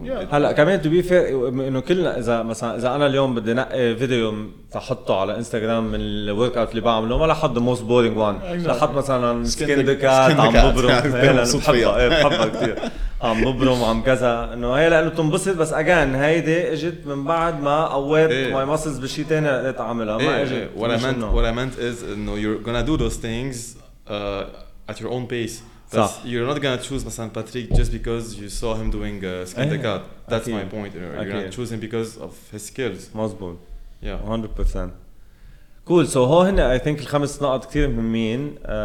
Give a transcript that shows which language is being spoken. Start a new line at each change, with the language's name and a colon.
Arabic: هلا كمان
English: to be fair,
Arabic: إنه كلنا إذا مثلا إذا أنا اليوم بدي نقي فيديو فحطه على إنستغرام من الورك أوت اللي بعمله, ما لحط
English: the most boring one,
Arabic: لحط مثلا سكين ذا كات عم ببرم, بحبها كتير, عم ببرم عم كذا, إنه هي لأنه تنبسط. بس أجان هيدي إجت من بعد ما قويت
English: my muscles
Arabic: بشي تاني قدرت أعملها.
English: What I meant is
Arabic: إنه
English: you're gonna do those things at your own pace. You're not gonna choose
Arabic: مثلا
English: Patrick just because you saw him doing skin the cat. That's my point. You're gonna choose him because of his skills.
Arabic: مزبوط.
English: Yeah. 100%. Cool. So
Arabic: هو هنا
English: I think
Arabic: الخمس نقاط كتير مهمين.